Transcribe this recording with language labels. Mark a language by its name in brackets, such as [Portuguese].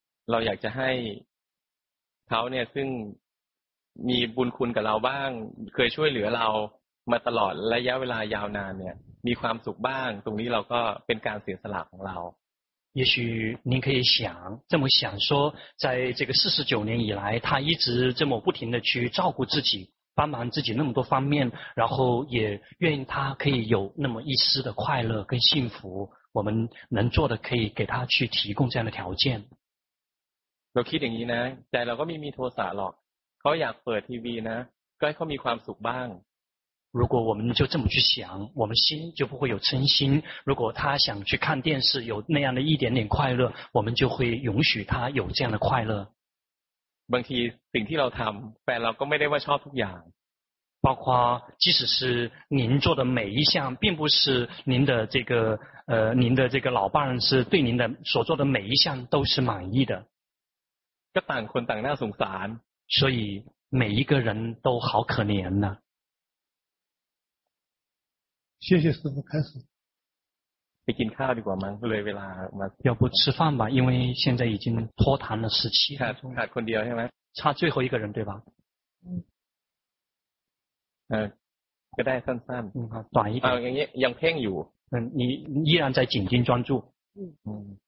[Thai] เราอยากจะให้เขาเนี่ยซึ่งมีบุญคุณกับเราบ้างเคยช่วยเหลือเรามาตลอดระยะเวลายาวนานเนี่ยมีความสุขบ้างตรงนี้เราก็เป็นการเสียสละของเรา [Chinese] 也许您可以想这么想说，在这个49年以来，他一直这么不停的去照顾自己，帮忙自己那么多方面，然后也愿意他可以有那么一丝的快乐跟幸福，我们能做的可以给他去提供这样的条件。 [Thai] เราคิดอย่างนี้นะแต่เราก็ไม่มีโทสะหรอกเขาอยากเปิดทีวีนะก็ให้เขามีความสุขบ้าง [Chinese] 如果我们就这么去想，我们心就不会有嗔心。如果他想去看电视，有那样的一点点快乐，我们就会允许他有这样的快乐。 [Thai] บางทีสิ่งที่เราทำแฟนเราก็ไม่ได้ว่าชอบทุกอย่าง [Chinese] 包括即使是您做的每一项，并不是您的这个您的这个老伴是对您的所做的每一项都是满意的。 [Thai] ก็ต่างคนต่างน่าสงสาร [Chinese] 所以每一个人都好可怜呢。谢谢师父，开始。 [Thai] ไปกินข้าวดีกว่ามั้งเลยเวลา [Chinese] 要不吃饭吧，因为现在已经拖堂了17分钟。差 [Thai] คนเดียวใช่ไหม？ [Chinese] 差最后一个人对吧？ [Thai] 嗯。ก็ได้สั้นๆ。 [Chinese] 嗯，好，短一点。 [Thai] อย่างนี้ยังเพ่งอยู่。 [Chinese] 嗯，你依然在紧盯专注。嗯。